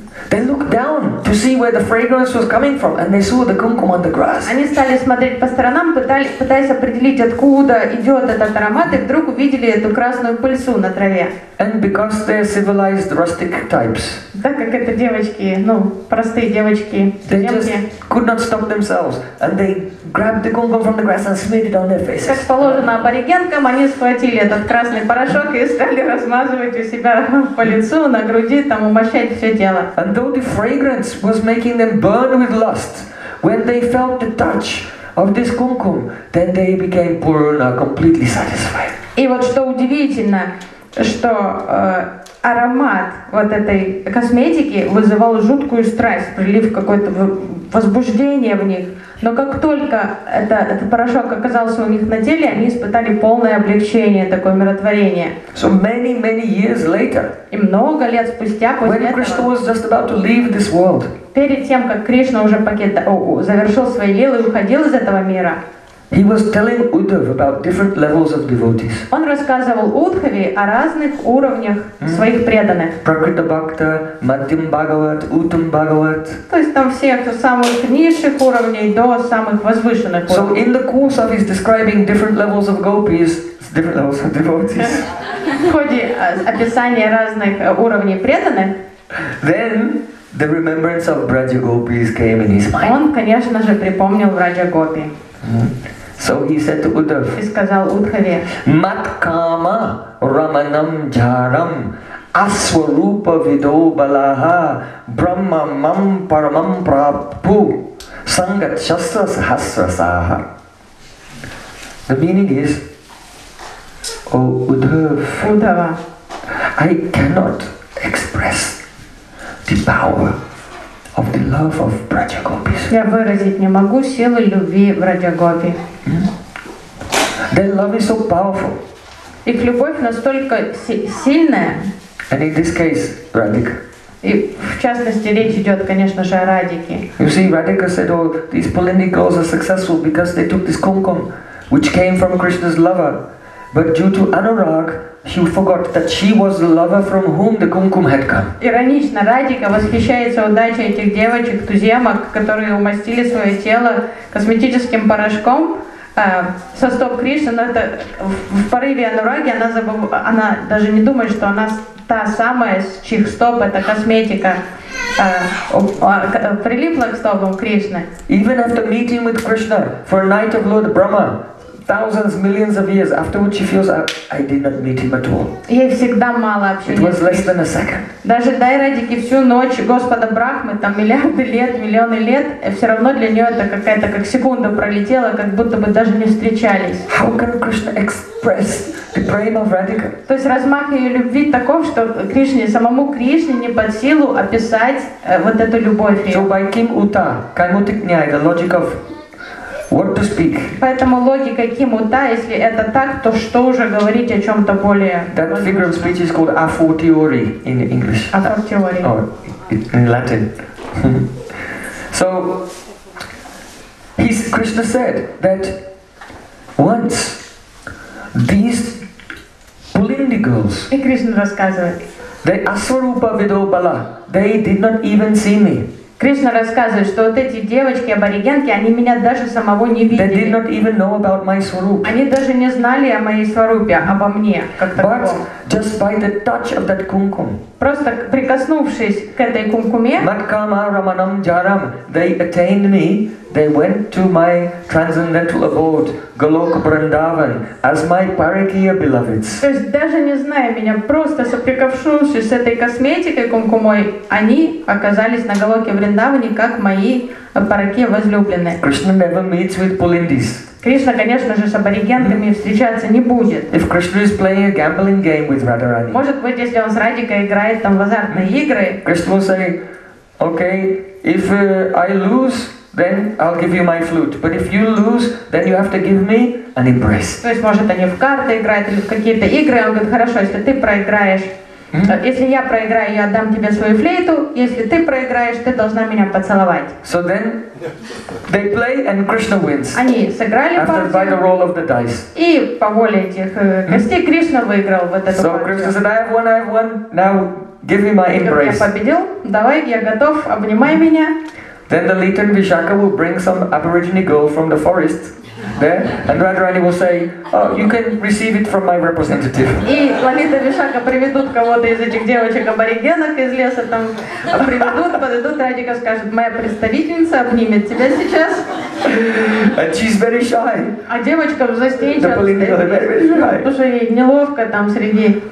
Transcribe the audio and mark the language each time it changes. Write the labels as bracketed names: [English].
[English] They looked down to see where the fragrance was coming from, and they saw the kumkum on the grass. [Russian] Они стали смотреть по сторонам, пытаясь определить, откуда идет этот аромат, и вдруг увидели эту красную пыльцу на траве. [English] And because they're civilized rustic types. [Russian] Так как это девочки, ну простые девочки, студентки. [English] They just could not stop themselves, and they grabbed the kumkum from the grass and smeared it on their faces. [Russian] Как положено аборигенкам, они схватили этот красный порошок и стали размазывать у себя по лицу, на груди, там умощать все тело. [English] And though the fragrance was making them burn with lust, when they felt the touch of this kumkum, then they became purna, completely satisfied. [Russian] И вот что удивительно, что аромат вот этой косметики вызывал жуткую страсть, прилив какое-то возбуждение в них. Но как только этот порошок оказался у них на теле, они испытали полное облегчение, такое умиротворение. [English] So many, many years later. [Russian] И много лет спустя, после [English] when Krishna was just about to leave this world. [Russian] Перед тем, как Кришна уже завершил свои лилы и уходил из этого мира. [English] He was telling Uddhav about different levels of devotees. [Russian] Он рассказывал Удхаве о разных уровнях своих преданных. [Sanskrit] Prakrita Bhakta, Madhyam Bhagavat, Uttam Bhagavat. [Russian] То есть там всех от самых низших уровней до самых возвышенных уровней. [English] So in the course of his describing different levels of gopis, different levels of devotees. [Russian] В ходе описания разных уровней преданных. [English] Then the remembrance of Braja Gopis came in his mind. [Russian] Он, конечно же, припомнил Braja Gopi. [English] So he said to Uddhav. [Russian] И сказал Удхаве. [Sanskrit] Мат кама раманам джарам асварупа видо балаха брахма мам парамам прапу сангат шасра сахасра саха. [English] The meaning is, Удхава, I cannot express the power of the love of Braja Gopis. [Russian] Я выразить не могу силы любви Braja Gopi. [English] Their love is so powerful. [Russian] Их любовь настолько сильная. [English] And in this case, Radhika. [Russian] И в частности речь идет, конечно же, о Радике. [English] You see, Radhika said, "Oh, these Palindi girls are successful because they took this kumkum, which came from Krishna's lover. But due to anurag, she forgot that she was the lover from whom the kumkum had come." [Russian] Иронично, Радика восхищается удачей этих девочек, туземок, которые умастили свое тело косметическим порошком со стоп Кришны, но это в порыве анураги она даже не думает, что она та самая, с чьих стоп эта косметика прилипла к стопам Кришны. [English] Even after meeting with Krishna for a night of Lord Brahma, thousands, millions of years afterward, she feels I did not meet him at all. [Russian] Ей всегда мало общения. [English] It was less than a second. [Russian] Даже дай Радике всю ночь Господа Брахмы, там миллиарды лет, миллионы лет, все равно для нее это какая-то как секунда пролетела, как будто бы даже не встречались. [English] How can Krishna express the prema of Radhika? [Russian] То есть размах ее любви таков, что Кришне, самому Кришне не под силу описать вот эту любовь. [English] So by King Uta, Kaimuthik Nyaya, the logic of what to speak. [Russian] Поэтому логика Ким Ута, если это так, то что уже говорить о чем-то более. [English] That figure of speech is called a fortiori in English. [Latin] A fortiori. [English] Oh, in Latin. So, Krishna said that once these Pulindi girls. [Russian] И Кришна рассказывает. [English] They [Sanskrit] asvarupa vidobala. [English] They did not even see me. [Russian] Кришна рассказывает, что вот эти девочки, аборигенки, они меня даже самого не видели. [English] They did not even know about my swarup. [Russian] Они даже не знали о моей сварупе, обо мне, как таком. [English] But just by the touch of that kumkum. [Russian] Просто прикоснувшись к этой кумкуме. [Sanskrit] Маткама раманам джарам. [English] They attained me. They went to my transcendental abode, Голока Бриндаван, as my Парикия beloveds. [Russian] То есть даже не зная меня, просто соприкоснувшись с этой косметикой кумкумой, они оказались на Голоке Бриндаван. Вриндаване, как мои парики возлюбленные. [English] Krishna never meets with Pulindis. [Russian] Кришна, конечно же, с аборигенками встречаться не будет. [English] If Krishna is playing a gambling game with Radharani. [Russian] Может быть, если он с Радикой играет там в азартные игры. [English] Krishna will say, okay, if I lose, then I'll give you my flute. But if you lose, then you have to give me an embrace. [Russian] То есть, может, они в карты играют или в какие-то игры. Он говорит, хорошо, если ты проиграешь. Mm-hmm. Если я проиграю, я отдам тебе свою флейту. Если ты проиграешь, ты должна меня поцеловать. [English] So then they play and Krishna wins. [Russian] Они сыграли партию. [English] By the roll of the dice. [Russian] И по воле этих гостей Кришна выиграл вот эту партию. [English] So Krishna said, I have won. Now give me my embrace. [Russian] Я победил. Давай, я готов. Обнимай меня. [English] Then the leader Vishaka will bring some aborigine girl from the forest. There, and Radharani will say, oh, you can receive it from my representative. [Russian] И Лалита Вишака приведут кого-то из этих девочек-аборигенок из леса, там приведут, подойдут, Радика скажет, моя представительница обнимет тебя сейчас. And she's very shy. А девочка застенчива. Потому что ей неловко там среди.